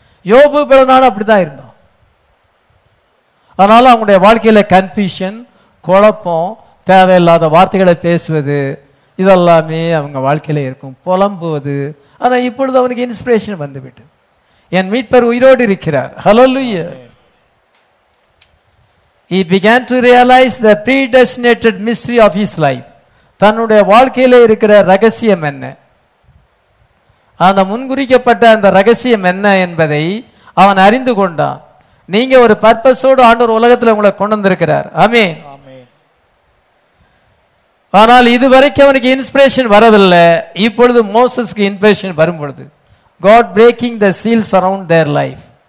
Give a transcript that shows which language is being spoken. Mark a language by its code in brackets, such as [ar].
[ta] யோபு பிளனான அப்படி தான் இருந்தான். அதனால அவங்களுடைய வாழ்க்கையில் கன்ஃபியூஷன், குழப்பம், தேவையில்லாத வார்த்தைகளை பேசுவது, இதெல்லாமே அவங்க வாழ்க்கையில் இருக்கும், புலம்புவது. ஆனால் இப்பொழுது அவனுக்கு இன்ஸ்பிரேஷன் வந்துவிட்டது. என் மீட்பர் உயிரோடு இருக்கிறார். ஹல்லேலூயா. [en] He began to realize the predestinated mystery of his life. [ta] தன்னுடைய வாழ்க்கையிலே இருக்கிற ரகசியம் என்ன, அந்த முன்குறிக்கப்பட்ட அந்த ரகசியம் என்ன என்பதை அவன் அறிந்து கொண்டான். நீங்க ஒரு பர்பஸோடு ஆண்டவர் உலகத்தில் உங்களை கொண்டு வந்திருக்கிறார். ஆமென். ஆனால் இதுவரைக்கும் அவனுக்கு இன்ஸ்பிரேஷன் வரவில்லை, இப்பொழுது மோசஸ்க்கு இன்ஸ்பிரேஷன் வரும் பொழுது God breaking the seals around their life.